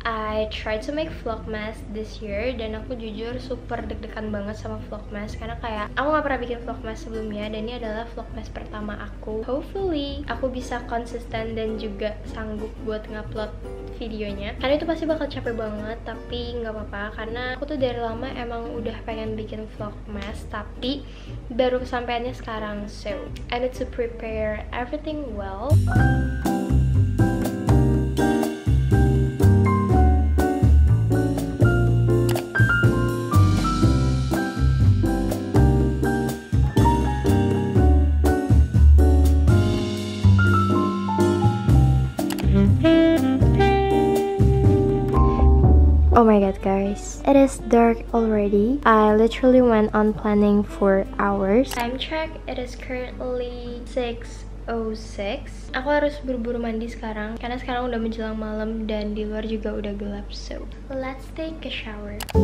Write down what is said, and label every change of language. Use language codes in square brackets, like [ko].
[en] I tried to make Vlogmas this year, [id] dan aku jujur super deg-degan banget sama Vlogmas, karena kayak aku gak pernah bikin Vlogmas sebelumnya, dan ini adalah Vlogmas pertama aku. Hopefully aku bisa konsisten dan juga sanggup buat ngupload videonya, karena itu pasti bakal capek banget. Tapi gak apa-apa, karena aku tuh dari lama emang udah pengen bikin Vlogmas, tapi baru kesampaiannya sekarang. [en] So I need to prepare everything well. Oh my god guys, it is dark already. I literally went on planning for hours. Time check, it is currently 6:06. [id] Aku harus buru-buru mandi sekarang, karena sekarang udah menjelang malam dan di luar juga udah gelap. [en] So, let's take a shower.